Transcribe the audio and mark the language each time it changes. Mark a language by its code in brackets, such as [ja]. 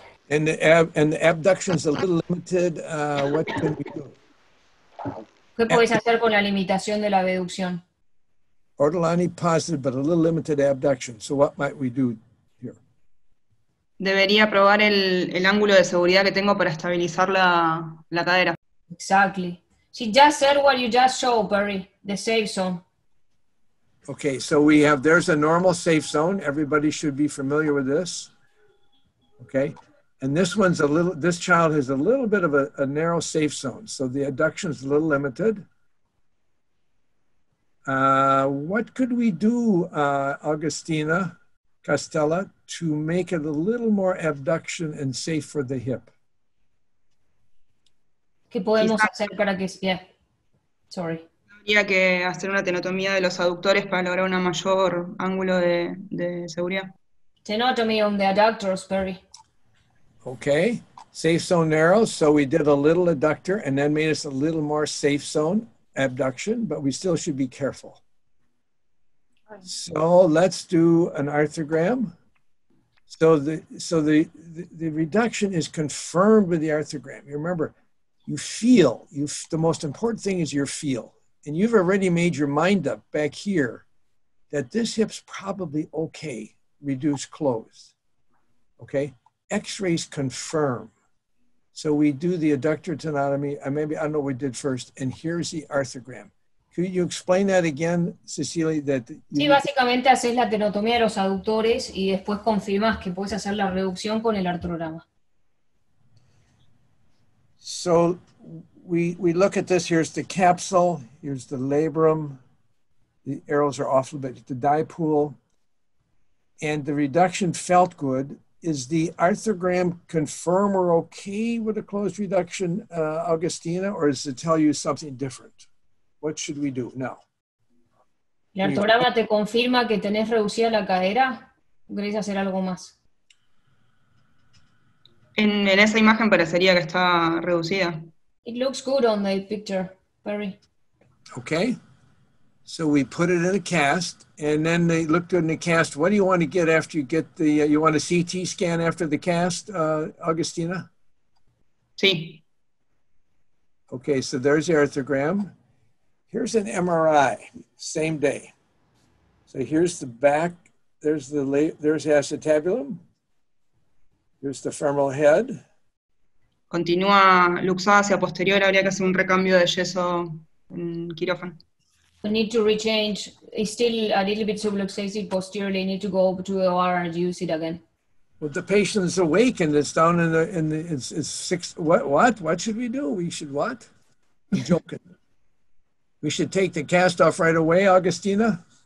[en] And the abduction's a little limited. What can we do? [es] ¿Qué podéis hacer con la limitación de la abducción? [en] Ortolani positive, but a little limited abduction. So what might we do here? [es] Debería probar el ángulo de seguridad que tengo para estabilizar la cadera. [en] Exactly. She just said what you just showed, Perry, the safe zone. Okay, so we have, there's a normal safe zone. Everybody should be familiar with this. Okay, and this one's a little, this child has a little bit of a narrow safe zone. So the abduction's a little limited. What could we do, Augustina Castella, to make it a little more abduction and safe for the hip? [es] ¿Qué podemos hacer para que sea? Sorry. Habría que hacer una tenotomía de los aductores para lograr un mayor ángulo de seguridad. [en] Tenotomy on the adductors, Perry. Okay. Safe zone narrow. So we did a little adductor and then made us a little more safe zone abduction, but we still should be careful. So let's do an arthrogram. So the reduction is confirmed with the arthrogram. You remember, you feel, the most important thing is your feel. And you've already made your mind up back here that this hip's probably okay, reduced close. Okay, x-rays confirm. So we do the adductor tenotomy, and maybe I don't know what we did first, and here's the arthrogram. Could you explain that again, Cecilia? That [es] sí, básicamente haces la tenotomía de los aductores y después confirmas que puedes hacer la reducción con el artrograma. [en] So we look at this, here's the capsule, here's the labrum, the arrows are off a little bit, the dipole, and the reduction felt good. Is the arthrogram confirm we're okay with a closed reduction, Augustina, or does it tell you something different? What should we do now? [es] ¿El artrograma te confirma que tenés reducida la cadera? ¿Querés hacer algo más? En esa imagen parecería que está reducida. [en] It looks good on the picture, Perry. Okay. So we put it in a cast, and then they looked in the cast. What do you want to get after you get the, you want a CT scan after the cast, Augustina? Sí. Okay, so there's the arthrogram. Here's an MRI, same day. So here's the back, there's the acetabulum. Here's the femoral head. [es] Continúa luxada hacia posterior, habría que hacer un recambio de yeso en quirófano. [en] We need to rechange, it's still a little bit subluxated posteriorly, need to go to the OR and use it again. Well, the patient is awake and it's down in the, it's six, what? What should we do? We should what? I'm joking. We should take the cast off right away, Augustina?